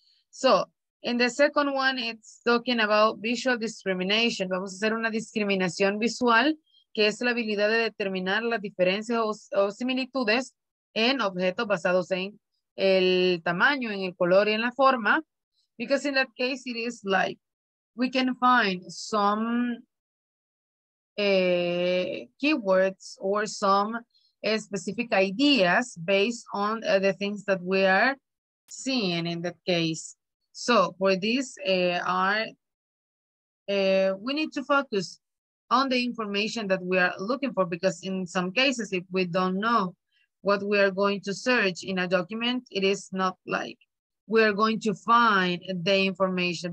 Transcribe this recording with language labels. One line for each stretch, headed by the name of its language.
English: So, in the second one, it's talking about visual discrimination.
Spanish: Vamos a hacer una discriminación visual, que es la habilidad de determinar las diferencias o similitudes en objetos basados en el tamaño, en el color y en la forma.
English: Because in that case, it is like we can find some keywords or some specific ideas based on the things that we are seeing in that case. So for this, we need to focus on the information that we are looking for, because in some cases, if we don't know what we are going to search in a document, it is not like we are going to find the information.